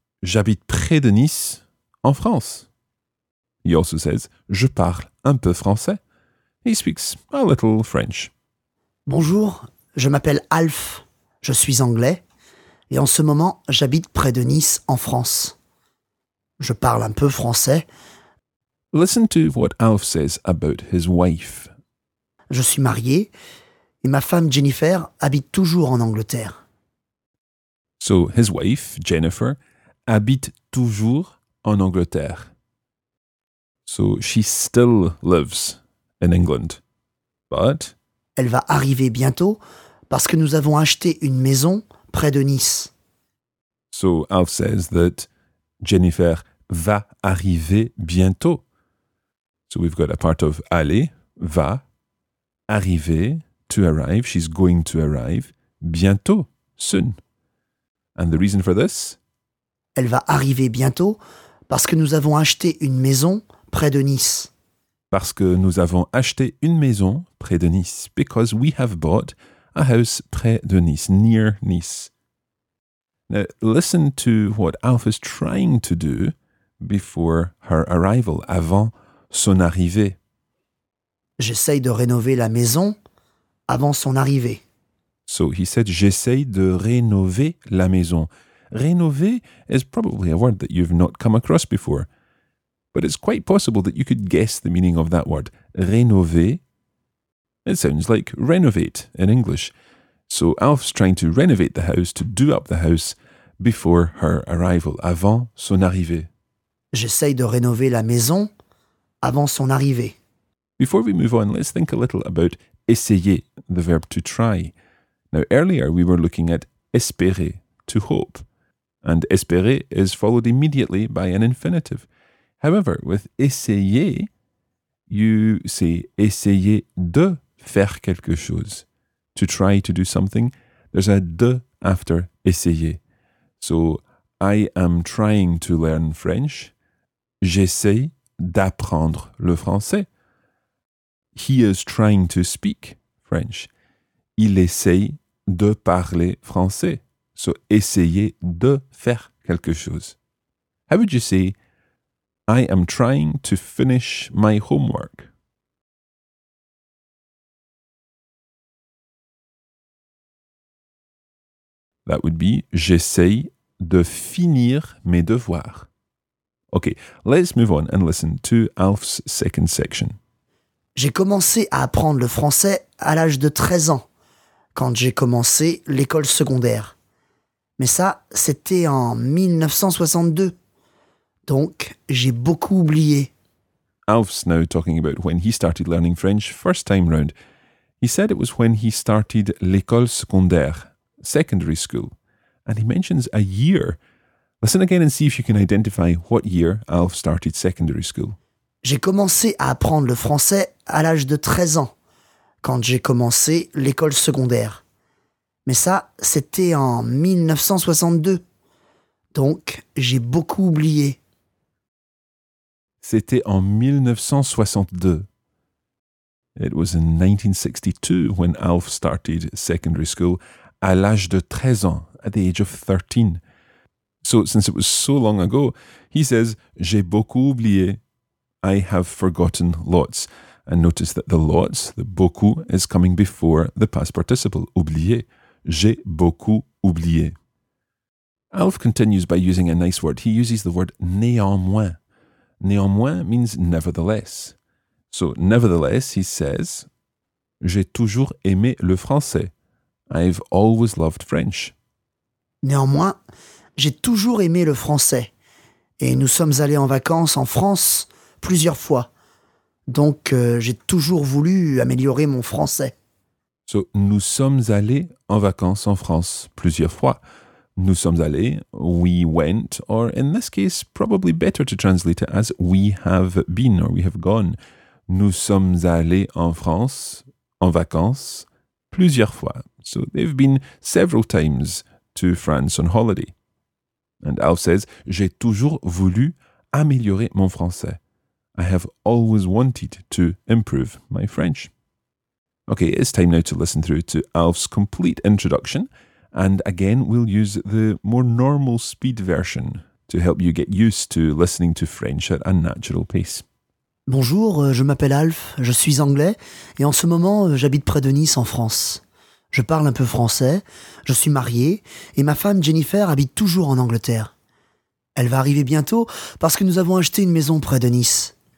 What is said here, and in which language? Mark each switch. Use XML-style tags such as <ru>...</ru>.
<fr>J'habite près de Nice, en France.</fr> <en>He also says,</en> <fr>je parle un peu français.</fr> <en>He speaks a little French.</en> <fr>Bonjour, je m'appelle Alf, je suis anglais, et en ce moment, j'habite près de Nice, en France. Je parle un peu français.</fr> <en>Listen to what Alf says about his wife.</en> <fr>Je suis marié, et ma femme Jennifer habite toujours en Angleterre.</fr> <en>So, his wife,</en> <fr>Jennifer, habite toujours en Angleterre.</fr> <en>So, she still lives in England, but...</en> <fr>Elle va arriver bientôt parce que nous avons acheté une maison près de Nice.</fr> <en>So Alf says that Jennifer</en> <fr>va arriver bientôt.</fr> <en>So we've got a part of aller, va, arriver, to arrive, she's going to arrive, bientôt, soon. And the reason for this?</en> <fr>Elle va arriver bientôt parce que nous avons acheté une maison près de Nice. Parce que nous avons acheté une maison près de Nice.</fr> <en>Because we have bought a house</en> <fr>près de Nice,</fr> <en>near Nice. Now, listen to what Alf is trying to do before her arrival,</en> <fr>avant son arrivée. J'essaye de rénover la maison avant son arrivée.</fr> <en>So he said,</en> <fr>j'essaye de rénover la maison.</fr> <en>Rénover is probably a word that you've not come across before. But it's quite possible that you could guess the meaning of that word, rénover. It sounds like renovate in English. So Alf's trying to renovate the house, to do up the house, before her arrival,</en> <fr>avant son arrivée. J'essaye de rénover la maison avant son arrivée.</fr> <en>Before we move on, let's think a little about essayer, the verb to try. Now, earlier we were looking at espérer, to hope. And espérer is followed immediately by an infinitive. However, with essayer, you say</en> <fr>essayer de faire quelque chose.</fr> <en>To try to do something There's a de after essayer. So, I am trying to learn French.</en> <fr>J'essaie d'apprendre le français.</fr> <en>He is trying to speak French.</en> <fr>Il essaye de parler français. So, essayer de faire quelque chose.</fr> <en>How would you say, I am trying to finish my homework? That would be,</en> <fr>j'essaye de finir mes devoirs.</fr> <en>Okay, let's move on and listen to Alf's second section.</en> <fr>J'ai commencé à apprendre le français à l'âge de 13 ans, quand j'ai commencé l'école secondaire. Mais ça, c'était en 1962. Donc, j'ai beaucoup oublié.</fr> <en>Alf's now talking about when he started learning French first time round. He said it was when he started</en> <fr>l'école secondaire,</fr> <en>secondary school. And he mentions a year. Listen again and see if you can identify what year Alf started secondary school.</en> <fr>J'ai commencé à apprendre le français à l'âge de 13 ans, quand j'ai commencé l'école secondaire. Mais ça, c'était en 1962. Donc, j'ai beaucoup oublié. C'était en 1962.</fr> <en>It was in 1962 when Alf started secondary school</en> <fr>à l'âge de 13 ans,</fr> <en>at the age of 13. So, since it was so long ago, he says,</en> <fr>j'ai beaucoup oublié.</fr> <en>I have forgotten lots. And notice that the lots, the beaucoup, is coming before the past participle, oublié.</en> <fr>J'ai beaucoup oublié.</fr> <en>Alf continues by using a nice word. He uses the word néanmoins. Néanmoins means nevertheless. So, nevertheless, he says,</en> <fr>j'ai toujours aimé le français.</fr> <en>I've always loved French.</en> <fr>Néanmoins, j'ai toujours aimé le français. Et nous sommes allés en vacances en France plusieurs fois. Donc, j'ai toujours voulu améliorer mon français. So, nous sommes allés en vacances en France plusieurs fois. Nous sommes allés,</fr> <en>we went, or in this case, probably better to translate it as we have been or we have gone.</en> <fr>Nous sommes allés en France en vacances plusieurs fois.</fr> <en>So, they've been several times to France on holiday. And Al says,</en> <fr>j'ai toujours voulu améliorer mon français.</fr> <en>I have always wanted to improve my French. Okay, it's time now to listen through to Alf's complete introduction. And again, we'll use the more normal speed version to help you get used to listening to French at a natural pace.</en> <fr>Bonjour, je m'appelle Alf, je suis anglais, et en ce moment, j'habite près de Nice, en France. Je parle un peu français, je suis marié, et ma femme Jennifer habite toujours en Angleterre. Elle va arriver bientôt parce que nous avons acheté une maison près de Nice.</fr>